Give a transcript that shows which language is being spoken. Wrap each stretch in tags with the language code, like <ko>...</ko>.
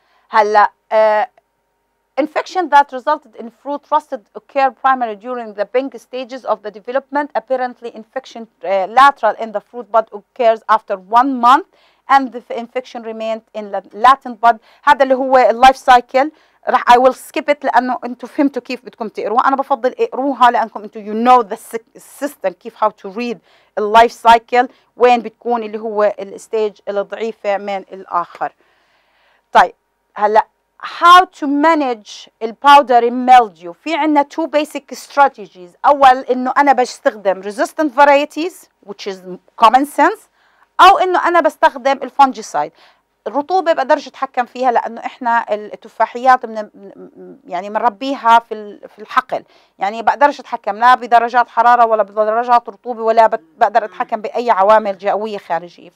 <en>هلا infection that resulted in fruit rusted occur primarily during the pink stages of the development. Apparently infection lateral in the fruit bud occurs after 1 month and the infection remained in the latent bud.</en> <ar>هذا اللي هو اللايف سايكل، راح</ar> <en>I will skip it</en> <ar>لانه انتم فهمتوا كيف بدكم تقروها، انا بفضل اقروها لانكم انتم</ar> <en>you know the system</en> <ar>كيف</ar> <en>how to read</en> <ar>اللايف سايكل وين بتكون اللي هو الستيج الضعيفه من الاخر.</ar> <en>طيب هلا how to manage the powdery mildew.</en> <ar>في عنا</ar> <en>2 basic strategies.</en> <ar>اول انه انا بستخدم</ar> <en>resistant varieties which is common sense،</en> <ar>او انه انا بستخدم الفونجيسايد. الرطوبه بقدر اتحكم فيها لانه احنا التفاحيات من يعني بنربيها في الحقل، يعني بقدر اتحكم لا بدرجات حراره ولا بدرجات رطوبه ولا بقدر اتحكم باي عوامل جوية خارجيه.</ar>